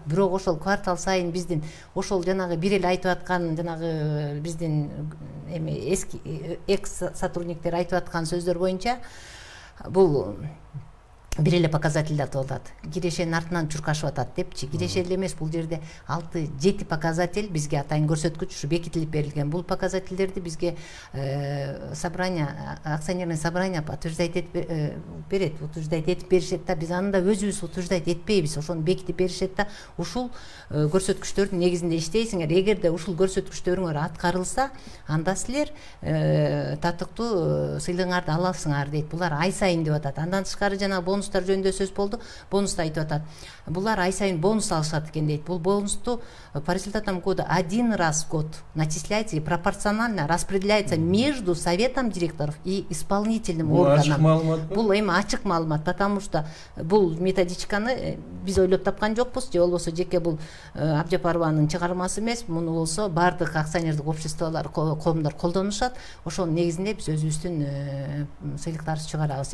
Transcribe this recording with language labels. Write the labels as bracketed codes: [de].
[ky] Бирок ошол квартал сайын биздин ошол жанагы бир эле айтып аткан жанагы биздин эми эски экс сотрудниктер айтып аткан сөздөр боюнча бул бир эле показательде толдат. Кирешенин артынан чуркашып атат депчи. Кирешен эле эмес, бул жерде 6-7 показатель бизге атайын көрсөткүч ушу бекитилип берилген. Бул показательдерди бизге [ru] акционерное собрание утверждать [ky] этип беришет да. Биз аны да өзүбүз [ru] утверждать [ky] этпейбиз, ошону бекитип беришет да. Ушул көрсөткүчтөрдүн негизинде иштейсиңер. Эгерде ушул көрсөткүчтөрүңөр аткарылса, анда силер татыктуу сыйлыгыңарды аласыңар дейт. Булар ай сайын деп атат. Андан тышкары жана бонустар жөнүндө сөз болду. Бонусту айтып атат. Булар ай сайын бонус алышат экен дейт. Бул бонусту [ru] по результатам года один раз в год начисляется и пропорционально распределяется между советом директоров и исполнительным органом. [ky] Бул эми ачык маалымат, [ru] потому что [ky] бул методичканы биз ойлоп тапкан жокпуз, же болбосо жеке бул Абжапарованын чыгармасы эмес, муну болсо баардык акционердик обществолор, коомдор колдонушат. Ошонун негизинде биз өзүбүздүн сыйлыктарыбызды чыгарабыз.